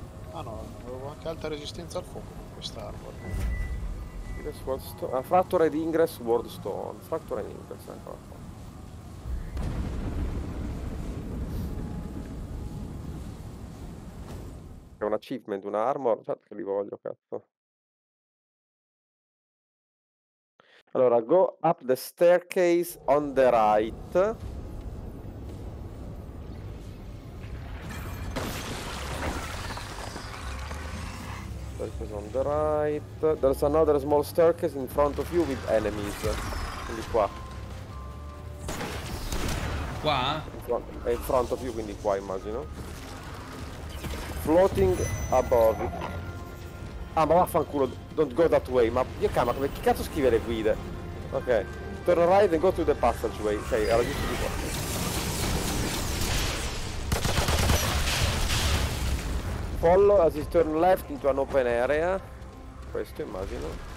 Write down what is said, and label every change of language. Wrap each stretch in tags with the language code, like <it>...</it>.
<it>Ah no, avevo anche alta resistenza al fuoco con quest'arma.</it> <en>Fractured Ingress World Stone. Fractured Ingress,</en> <it>ancora qua. È un achievement, un armor, certo che li voglio, cazzo.</it> <en>Allora, go up the staircase on the right. Staircase on the right. There's another small staircase in front of you with enemies.</en> <it>Quindi qua. Qua? È</it> <en>in front of you,</en> <it>quindi qua, immagino.</it> <en>Floating above.</en> <it>Ah, ma vaffanculo,</it> <en>don't go that way.</en> <it>Ma io cammo, come chi cazzo scrive le guide?</it> <en>Ok, turn right and go to the passageway. Ok,</en> <it>era giusto di qua.</it> <en>Follow as you turn left into an open area.</en> <it>Questo immagino.</it>